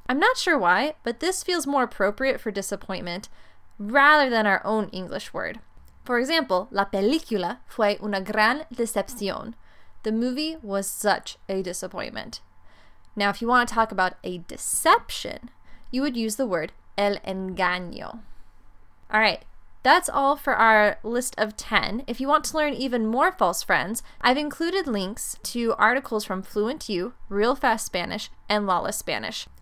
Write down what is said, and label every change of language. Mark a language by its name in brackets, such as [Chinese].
[English] I'm not sure why, but this feels more appropriate for disappointment rather than our own English word. For example, [Spanish] la película fue una gran decepción. [English] The movie was such a disappointment. Now, if you want to talk about a deception, you would use the word el engaño. All right, that's all for our list of 10. If you want to learn even more false friends, I've included links to articles from Fluent U, Real Fast Spanish, and Lawless Spanish.